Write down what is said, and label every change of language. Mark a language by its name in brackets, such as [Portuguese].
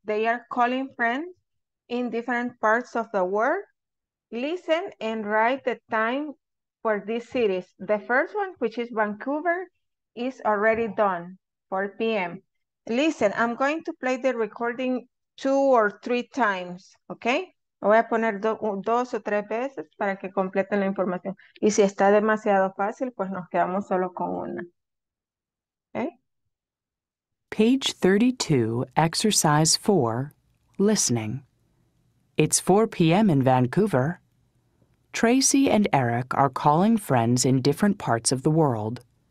[English] They are calling friends in different parts of the world. Listen and write the time for these cities. The first one, which is Vancouver, is already done, 4 p.m. Listen, I'm going to play the recording 2 or 3 times, okay? [Spanish] Voy a poner dos o tres veces para que completen la información. Y si está demasiado fácil, pues nos quedamos solo con una. [English] Okay? Page 32, exercise 4, listening. It's 4 p.m. in Vancouver. Tracy and Eric are calling friends in different parts of the world.